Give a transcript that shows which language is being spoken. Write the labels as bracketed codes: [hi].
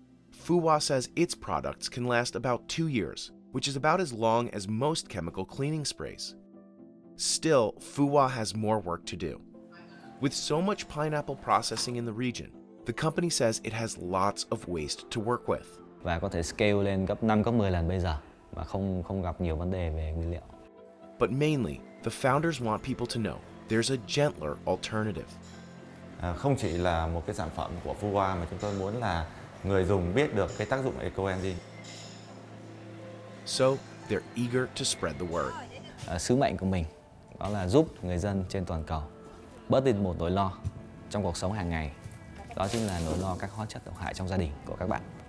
[en] Fuwa says its products can last about 2 years, which is about as long as most chemical cleaning sprays. Still, Fuwa has more work to do. With so much pineapple processing in the region, the company says it has lots of waste to work with. [vi] Và có thể scale lên gấp 5, gấp 10 lần bây giờ mà không gặp nhiều vấn đề về nguyên liệu. [en] But mainly, the founders want people to know there's a gentler alternative. [vi] Không chỉ là một cái sản phẩm của Fuwa mà chúng tôi muốn là người dùng biết được cái tác dụng eco-enzyme. [en] So, they're eager to spread the word. [vi] Sứ mệnh của mình đó là giúp người dân trên toàn cầu bớt đi một nỗi lo trong cuộc sống hàng ngày. Đó chính là nỗi lo các hóa chất độc hại trong gia đình của các bạn.